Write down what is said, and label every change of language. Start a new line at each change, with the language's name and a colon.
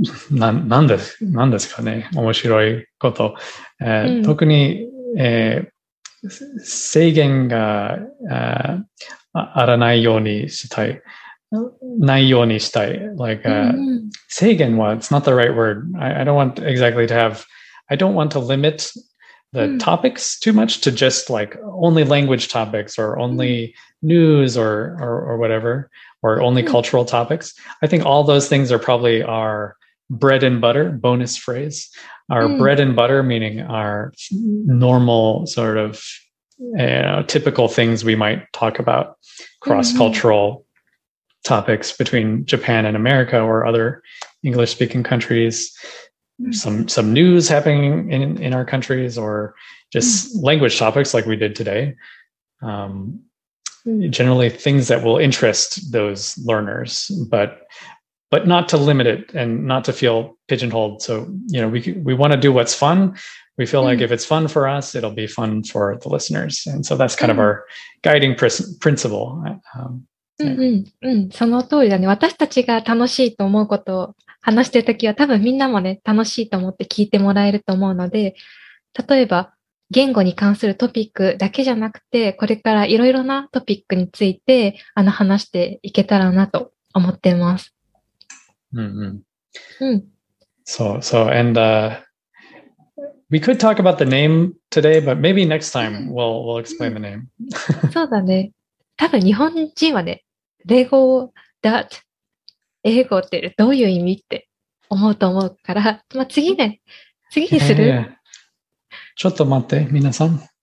Japanese: なんですかね、面白いこと。特に、制限が、あらないようにしたい。ないようにしたい。
English: Like,
Japanese: 制限は、
English: it's not the right word. I don't want exactly to have, I don't want to limit the topics too much to just like only language topics or only news or whatever, or only cultural topics. I think all those things are probably our bread and butter, bonus phrase. Our bread and butter, meaning our normal sort of typical things we might talk about, cross-cultural topics between Japan and America or other English-speaking countries. Some news happening in our countries or just language topics like we did today. Generally things that will interest those learners, but not to limit it and not to feel pigeonholed. So, we want to do what's fun. We feel like if it's fun for us, it'll be fun for the listeners. And so that's kind of our guiding principle.
Japanese: その通りだね。私たちが楽しいと思うことを話してるときは多分みんなもね、楽しいと思って聞いてもらえると思うので、例えば、言語に関するトピックだけじゃなくて、これからいろいろなトピックについて話していけたらなと思っています。
English: So, and we could talk about the name today, but maybe next time we'll explain the name.
Japanese: そうだね。多分日本人はね、英語
English: that
Japanese: 英語ってどういう意味って思うと思うから、まあ、次ね、次にする。
English: Yeah, yeah.
Japanese: ちょっと待って、皆さん。